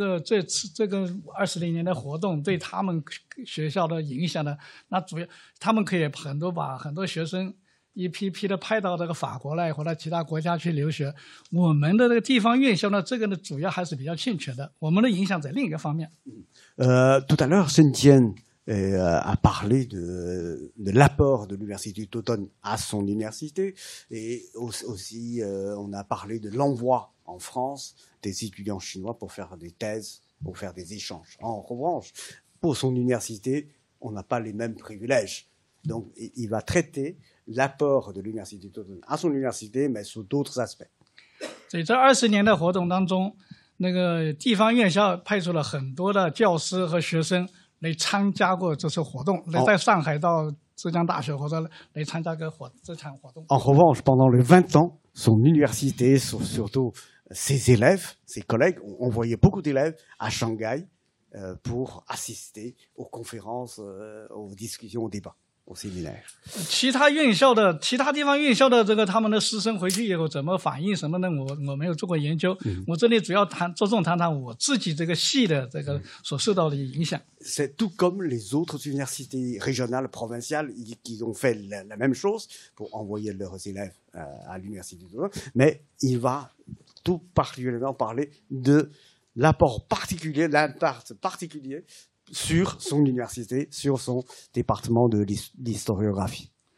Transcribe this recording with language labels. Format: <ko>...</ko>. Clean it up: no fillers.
<fr>provinciale。</fr> <zh>因为早上的这个沈军教授他们的讲话呢，都已经提到了这个20年的活动对他们。学校的影响呢，那主要他们可以很多把很多学生一批批的派到这个法国来或者其他国家去留学。我们的这个地方院校呢，这个呢主要还是比较欠缺的。我们的影响在另一个方面。</zh> <fr>Tout à l'heure, Shenzhen a parlé de l'apport de l'université d'automne à son université et aussi on a parlé de l'envoi en France des étudiants chinois pour faire des thèses, pour faire des échanges. En revanche, pour son université, on n'a pas les mêmes privilèges. Donc, il va traiter l'apport de l'université d'automne à son université, mais sous d'autres aspects.</fr> <zh>在这20年的活动当中，那个地方院校派出了很多的教师和学生来参加过这次活动，来在上海到浙江大学或者来参加过这场活动。</zh> <fr>En revanche, pendant les 20 ans, son université, surtout ses élèves, ses collègues, ont envoyé beaucoup d'élèves à Shanghai pour assister aux conférences, aux discussions, aux débats.</fr> <zh>其他院校的其他地方院校的这个他们的师生回去以后怎么反应什么呢？我没有做过研究，我这里主要谈着重谈谈我自己这个系的这个所受到的影响。</zh> <fr>C'est tout comme les autres universités régionales, provinciales, qui ont fait la même chose pour envoyer leurs élèves à l'université de Toulon. Mais il va tout particulièrement parler de l'apport particulier, l'impact particulier sur son université, sur son département de l'historiographie.</fr>